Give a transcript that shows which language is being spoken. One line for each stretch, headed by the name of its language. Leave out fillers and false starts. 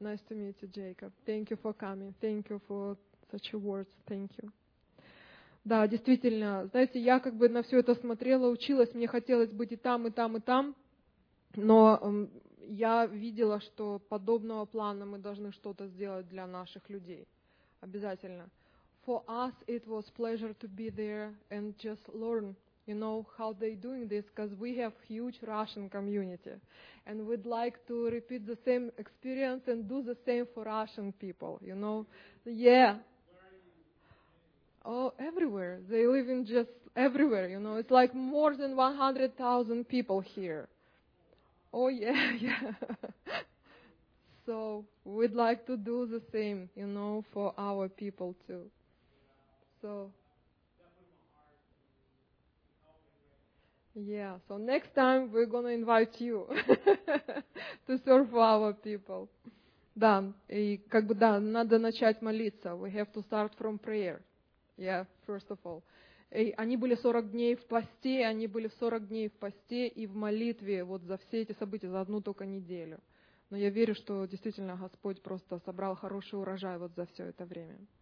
English: Nice to meet you, Jacob. Thank you for coming. Thank you for such words. Thank you.
Russian: Да, действительно, знаете, я как бы на все это смотрела, училась, мне хотелось быть и там, и там, и там. Но я видела, что подобного плана мы должны что-то сделать для наших людей. Обязательно.
English: For us it was pleasure to be there and just learn, you know, how they doing this, because we have huge Russian community. And we'd like to repeat the same experience and do the same for Russian people, you know. Yeah. Oh, everywhere. They live in just everywhere, you know. It's like more than 100,000 people here. Oh, yeah, yeah. So we'd like to do the same, you know, for our people too. So... Yeah, so next time we're going to invite you to serve our people.
Russian: Да, и как бы да, надо начать молиться.
English: We have to start from prayer. Yeah, first of all.
Russian: И они были 40 дней в посте, они были 40 дней в посте и в молитве вот за все эти события, за одну только неделю. Но я верю, что действительно Господь просто собрал хороший урожай вот за все это время.